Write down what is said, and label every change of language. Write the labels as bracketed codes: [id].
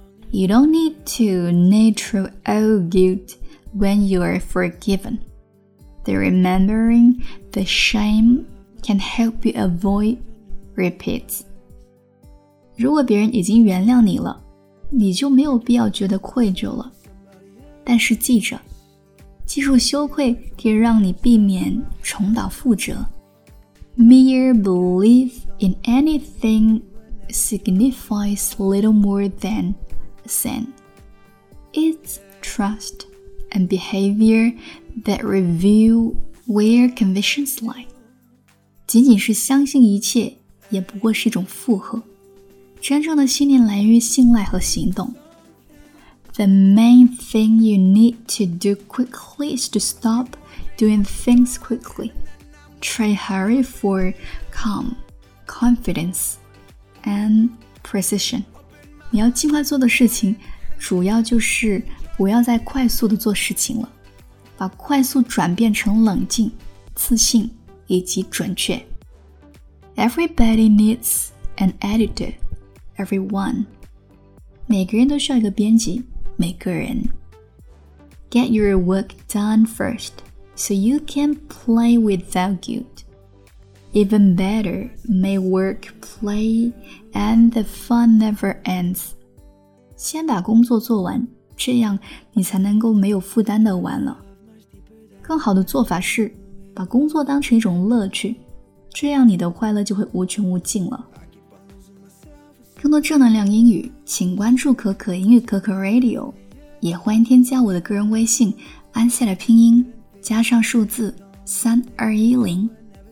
[en] You don't need to nurture old guilt when you are forgiven. The remembering the shame can help you avoid repeats. [zh] 如果别人已经原谅你了，你就没有必要觉得愧疚了。但是记着，记住羞愧可以让你避免重蹈覆辙。 [en] Mere belief in anything signifies little more than sin. It's trust and behavior that reveal where convictions lie. [zh] 仅仅是相信一切也不过是一种附和。真正的信念来源于信赖和行动。 [en] The main thing you need to do quickly is to stop doing things quickly. Train hurry for calm, confidence, and precision. [zh] 你要尽快做的事情，主要就是不要再快速地做事情了，把快速转变成冷静、自信以及准确。 [en] Everybody needs an editor, everyone. [zh] 每个人都需要一个编辑。每个人 [en] Get your work done first so you can play without guilt. Even better, may work play and the fun never ends. [zh] 先把工作做完，这样你才能够没有负担地玩了。更好的做法是把工作当成一种乐趣，这样你的快乐就会无穷无尽了。更多正能量英语，请关注可可英语可可 Radio， 也欢迎添加我的个人微信安夏的拼音加上数字3210。